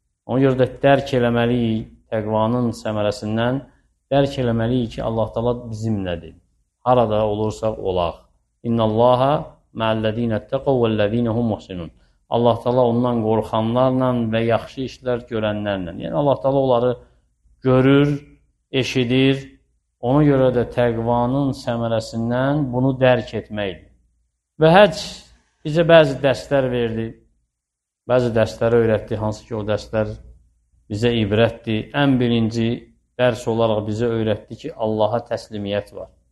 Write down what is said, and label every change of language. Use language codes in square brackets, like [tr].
[az] Ona görə də dərk eləməliyik təqvanın səmrəsindən, dərk eləməliyik ki, Allah Teala bizimlədir. Harada olursaq olaq. [ar] İnna Allaha mə'alləzina ittəqav vəlləzina hum muhsinun. [az] Allah Teala ondan qorxanlarla və yaxşı işlər görənlərlə. Yəni Allah Teala onları görür, eşidir. Ona görə də təqvanın səmrəsindən bunu dərk etməkdir. Və həcc bizə bəzi dərslər verdi, bəzi dərsləri öyrətdi, hansı ki o dərslər bizə ibrətdi. Ən birinci dərs olaraq bizə öyrətdi ki, Allaha təslimiyyət var.